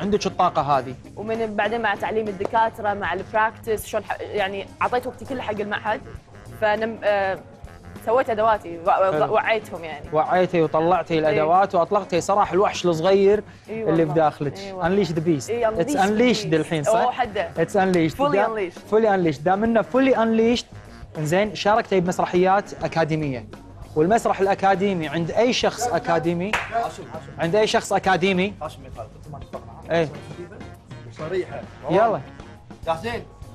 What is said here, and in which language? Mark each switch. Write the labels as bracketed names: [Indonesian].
[Arabic] عندك الطاقة هذه. ومن بعدين مع تعليم الدكاترة مع البراكتس شلون يعني عطيت وقتي كله حق المعهد. سويت أدواتي وعيتهم يعني. وعيتي وطلعتي الأدوات وأطلقتي صراحة الوحش الصغير اللي بداخلك. [English] Unleash the beast. It's unleashed [Arabic] الحين صح؟ [English] It's unleashed. Fully unleashed. Fully unleashed. [Arabic] دام إنه [English] fully unleashed. [Arabic] إنزين شاركتي بمسرحيات أكاديمية. والمسرح الأكاديمي عند أي شخص أكاديمي. هاشم. عند أي شخص أكاديمي. هاشم يطلع. إيه. صريحة. يلا. جاهزين.